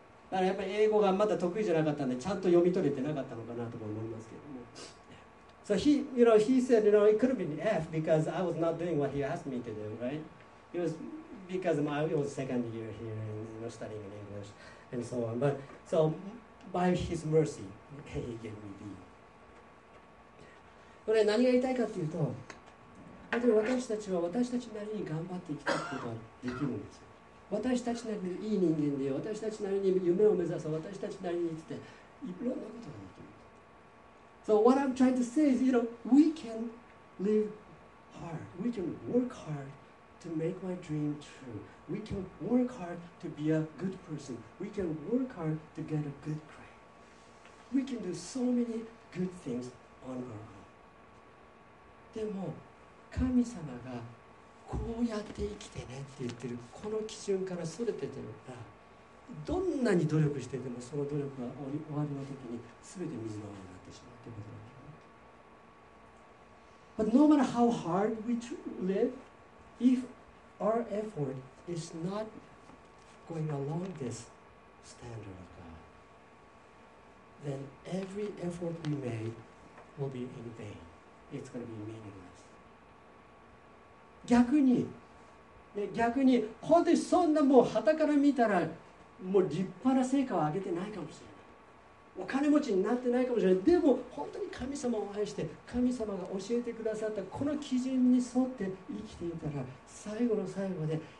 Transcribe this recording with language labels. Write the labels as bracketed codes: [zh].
[ja] だからやっぱり英語がまだ得意じゃなかったんで、ちゃんと読み取れてなかったのかなと思いますけども。 [en] So he, you know, he said, you know, it could have been F because I was not doing what he asked me to do, right? It was because I was second year here and you know, studying in English and so on. But so by his mercy, he gave me B. [ja] これ何が言いたいかというと、本当に私たちは私たちなりに頑張って生きていくことができるんですよ。私たちなりにいい人間で、私たちなりに夢を目指す、私たちなりにって、いろんなことができる。 [en] So what I'm trying to say is, you know, we can live hard. We can work hard to make my dream true. We can work hard to be a good person. We can work hard to get a good grade. We can do so many good things on our own. [ja] でも、神様がこうやって生きてねって言ってるこの基準からそれててるからどんなに努力しててもその努力が終わりの時に全て水の泡になってしまうということなんですね。 [en] But no matter how hard we live, if our effort is not going along this standard of God, then every effort we made will be in vain. It's going to be meaningless. [ja] 逆に、ね、逆に本当にそんなもう旗から見たらもう立派な成果を上げてないかもしれない。お金持ちになってないかもしれない。でも本当に神様を愛して神様が教えてくださったこの基準に沿って生きていたら最後の最後で